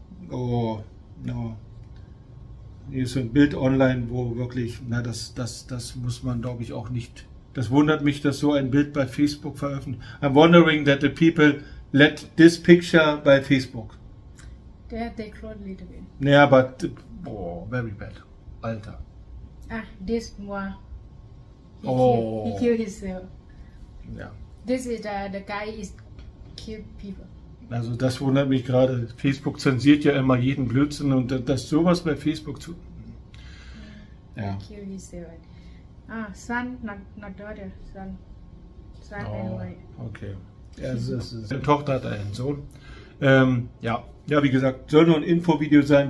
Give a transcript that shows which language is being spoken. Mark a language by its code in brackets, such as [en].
[de] Oh, no. Hier ist so ein Bild online, wo wirklich, na, das muss man, glaube ich, auch nicht. Das wundert mich, dass so ein Bild bei Facebook veröffentlicht. [en] I'm wondering that the people let this picture by Facebook. They crawled a little bit. Yeah, but, very bad. Alter. Ah, this one. He killed himself. Yeah. This is the guy is killed people. [de] Also das wundert mich gerade. Facebook zensiert ja immer jeden Blödsinn und dass sowas bei Facebook zu... [en] Ja. Killed himself. Ah, son, not daughter, son. Son and wife. Okay. [de] Seine Tochter hat einen Sohn. Ja, wie gesagt, soll nur ein Infovideo sein.